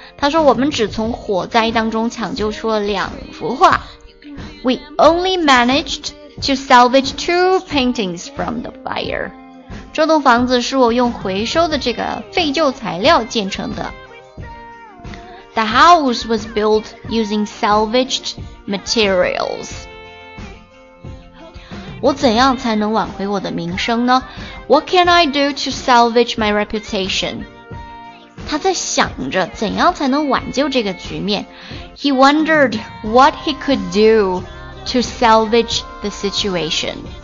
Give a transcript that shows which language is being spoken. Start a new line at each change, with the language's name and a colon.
Chinese: 他说我们只从火灾当中抢救出了两幅画，
English: We only managed to salvage two paintings from the fire，
Chinese: 这栋房子是我用回收的这个废旧材料建成的。
English: The house was built using salvaged materials.
Chinese: 我怎样才能挽回我的名声呢？
English: What can I do to salvage my reputation?
Chinese: 他在想着怎样才能挽救这个局面。
English: He wondered what he could do to salvage the situation.